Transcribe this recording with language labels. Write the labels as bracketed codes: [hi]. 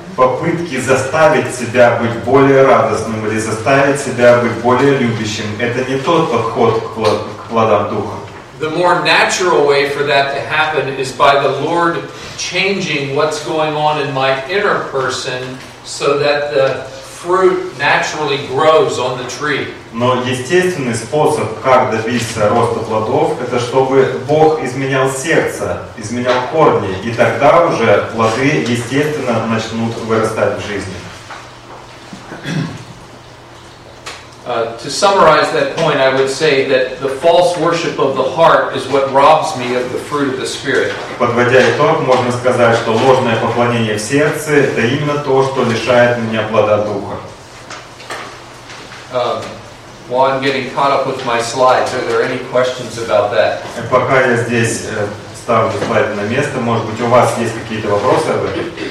[ru] Попытки заставить себя быть более радостным или заставить себя быть более любящим – это не тот подход к плодам Духа. [en] The more natural way for that to happen is by the Lord changing what's going on in my inner person so that the fruit naturally grows on the tree. [ru] Но естественный способ, как добиться роста плодов, это чтобы Бог изменял сердце, изменял корни, и тогда уже плоды естественно начнут вырастать в жизни. [en] To summarize that point, I would say that the false worship of the heart is what robs me of the fruit of the Spirit. [ru] Подводя итог, можно сказать, что ложное поклонение в сердце – это именно то, что лишает меня плода Духа. [en] While I'm getting caught up with my slides, are there any questions about that? [ru] Пока я здесь ставлю слайды на место, может быть, у вас есть какие-то вопросы об этом?